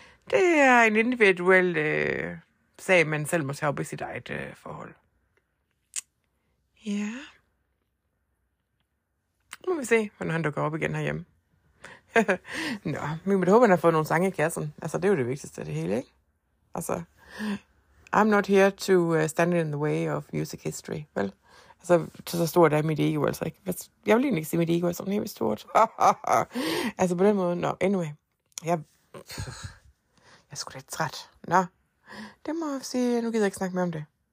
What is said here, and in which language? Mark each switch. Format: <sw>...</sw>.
<da>Det er en individuel sag, man selv må tage op i sit eget forhold. Ja. Nu må vi se, hvordan han dukker op igen herhjemme. Nå, men jeg håber, han har fået nogle sange i kassen. Altså, det er jo det vigtigste af det hele, ikke? Altså...</da> <en>I'm not here to stand in the way of music history.</en> <da>Well, altså, så stort er mit ego, altså ikke. Jeg vil egentlig ikke sige, mit ego er sådan helt stort. Altså, på den måde,</da> <en>no, anyway.</en> <da>Jeg er sgu lidt træt. Nå, det må jeg sige, nu gider jeg ikke snakke mere om det.</da>